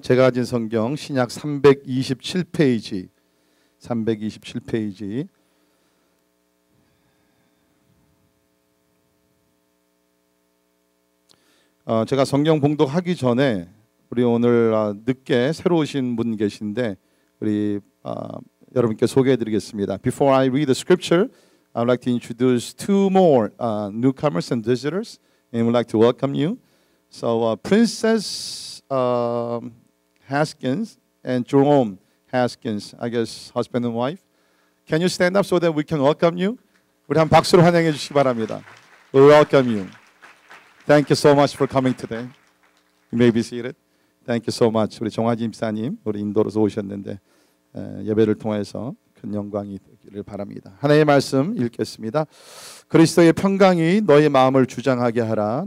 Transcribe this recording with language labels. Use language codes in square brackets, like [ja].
[ko] 제가 가진 성경 신약 327페이지 327페이지 제가 성경 봉독하기 전에 우리 오늘 늦게 새로 오신 분 계신데 우리 여러분께 소개해 드리겠습니다. [en] Before I read the scripture, I would like to introduce two more newcomers and visitors and would like to welcome you. So Princess Haskins and Jerome Haskins, I guess husband and wife. Can you stand up so that we can welcome you? [ko] 우리 한 박수로 환영해 주시기 바랍니다. [en] We welcome you. Thank you so much for coming today. You may be seated. Thank you so much. [ko] 우리 정화진 집사님, 우리 인도로서 오셨는데 예배를 통해서 큰 영광이 되기를 바랍니다. 하나님의 말씀 읽겠습니다. 그리스도의 평강이 너희 마음을 주장하게 하라.